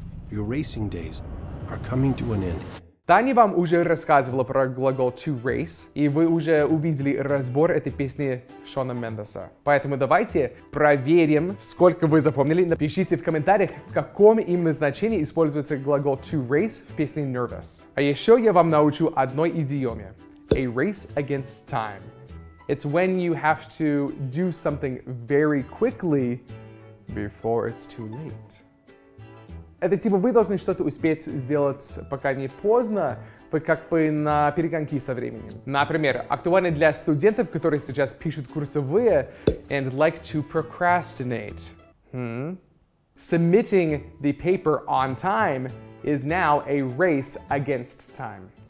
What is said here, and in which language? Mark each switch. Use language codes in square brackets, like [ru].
[en] Your racing days are coming to an end. [ru] Таня вам уже рассказывала про глагол to race, и вы уже увидели разбор этой песни Шона Мендеса. Поэтому давайте проверим, сколько вы запомнили. Напишите в комментариях, в каком именно значении используется глагол to race в песне Nervous. А еще я вам научу одной идиоме. [en] A race against time. It's when you have to do something very quickly before it's too late. [ru] Это типа вы должны что-то успеть сделать, пока не поздно. Вы как бы на перегонке со временем. Например, актуально для студентов, которые сейчас пишут курсовые [en] and like to procrastinate. Submitting the paper on time is now a race against time.